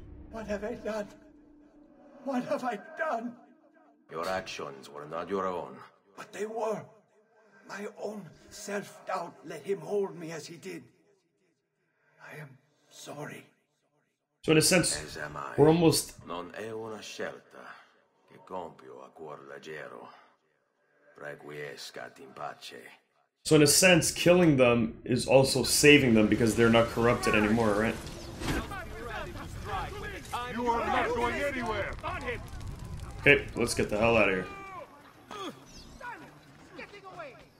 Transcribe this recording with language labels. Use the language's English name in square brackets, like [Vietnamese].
[English] What have I done? What have I done? Your actions were not your own. But they were. My own self-doubt let him hold me as he did. I am sorry. So in a sense, as am I, we're almost... [Italian] Non è una scelta che compio a cuor leggero. [Latin] Requiescat in pace. [English] So in a sense, killing them is also saving them because they're not corrupted anymore, right? You are not going anywhere! On him! Okay, let's get the hell out of here. Silence! Getting away!